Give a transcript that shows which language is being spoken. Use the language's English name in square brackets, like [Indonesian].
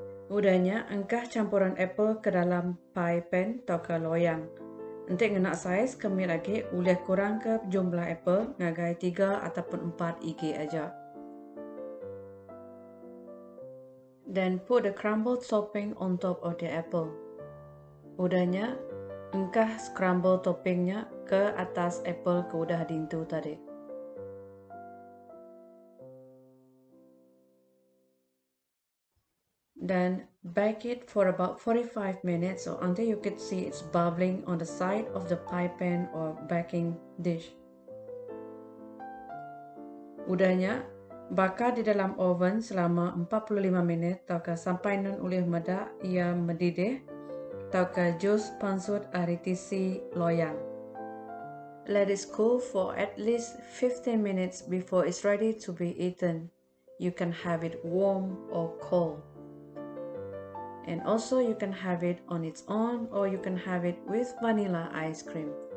[Iban] Udahnya, angkah campuran apple ke dalam pie pan atau ke loyang. Nanti ngenak size, kami lagi boleh kurang ke jumlah apple ngagai 3 ataupun 4 iji aja. [English] Then put the crumbled topping on top of the apple. [Iban] Udahnya, engkah crumbled toppingnya ke atas apple ke udah dintu tadi. [English] Then bake it for about 45 minutes or until you could see it's bubbling on the side of the pie pan or baking dish. [Iban] Udahnya, bakar di dalam oven selama 45 minit atau sampai nun ulih medak ia mendidih atau jus pansut aritisi loyang. [English] Let it cool for at least 15 minutes before it's ready to be eaten. You can have it warm or cold. And also you can have it on its own or you can have it with vanilla ice cream.